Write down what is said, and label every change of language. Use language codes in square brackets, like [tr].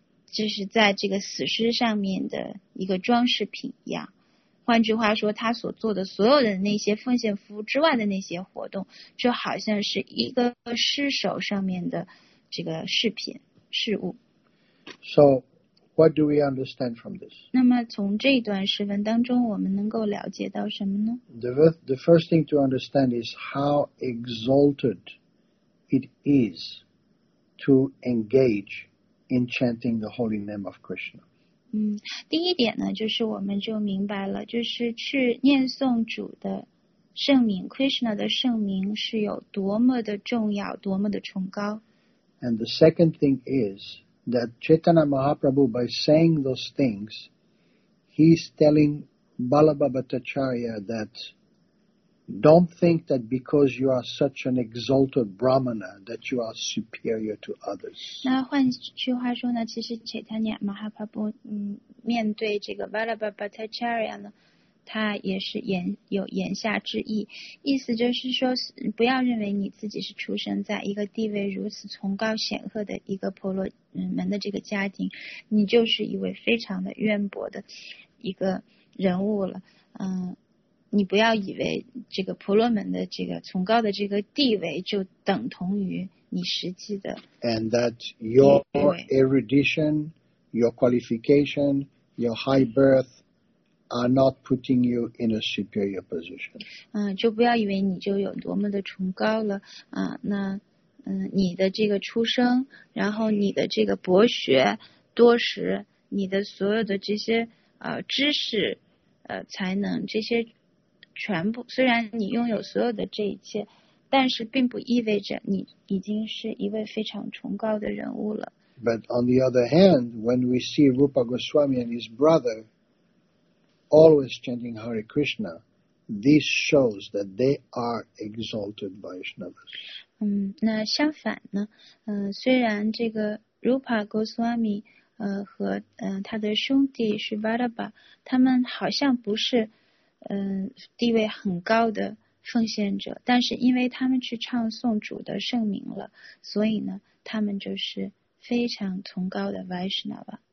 [zh] 就是在这个死尸上面的一个装饰品一样换句话说他所做的所有的那些奉献服务之外的那些活动就好像是一个尸首上面的这个饰品事物 [en] So what do we understand from this? [zh] 那么从这段诗文当中我们能够了解到什么呢 [en] The first thing to understand is how exalted it is to engage in chanting the holy name of Krishna [zh] 第一点呢就是我们就明白了就是去念诵主的圣名 Krishna 的圣名是有多么的重要多么的崇高 [en] And the second thing is that Chaitanya Mahaprabhu, by saying those things, he's telling Ballabha Bhattacharya that don't think that because you are such an exalted brahmana that you are superior to others. [zh] 那换句话说呢，其实 Chaitanya Mahaprabhu 面对这个 Ballabha Bhattacharya 呢，他也是言有言下之意，意思就是说，不要认为你自己是出生在一个地位如此崇高显赫的一个婆罗门的这个家庭，你就是一位非常的渊博的一个人物了。你不要以为这个婆罗门的这个崇高的这个地位就等同于你实际的。 [en] And that your erudition, your qualification, your high birth are not putting you in a superior position. [zh] 就不要以为你就有多么的崇高了那你的这个出生，然后你的这个博学多识，你的所有的这些知识才能，这些全部，虽然你拥有所有的这一切，但是并不意味着你已经是一位非常崇高的人物了。 [en] But on the other hand, when we see Rupa Goswami and his brother always chanting Hare Krishna, this shows that they are exalted Vaishnavas. [zh] 那相反呢？虽然这个 Rupa Goswami 和他的兄弟 Shivaraba 他们好像不是地位很高的奉献者，但是因为他们去唱诵主的圣名了，所以呢，他们就是非常崇高的 Vaishnava。